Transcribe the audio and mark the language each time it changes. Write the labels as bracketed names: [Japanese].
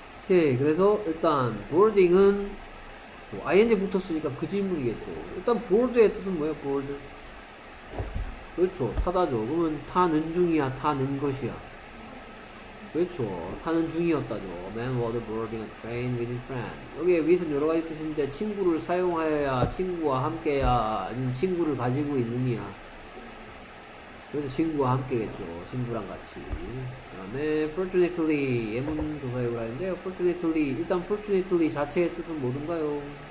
[Korean] 예, 그래서 일단 boarding은 뭐 ing 붙였으니까 그 질문이겠죠. 일단 board의 뜻은 뭐예요? board? 그렇죠. 타다죠. 그러면 타는 중이야, 타는 것이야. 그렇죠. 타는 중이었다죠. [English] Man was boarding a train with his friend. [Korean] 여기에 with는 여러 가지 뜻인데 친구를 사용하여야, 친구와 함께야, 아니면 친구를 가지고 있느냐. 그래서 친구와 함께겠죠. 친구랑 같이. 그 다음에 fortunately 예문조사용으로 하는데요. fortunately 일단 fortunately 자체의 뜻은 뭐든가요?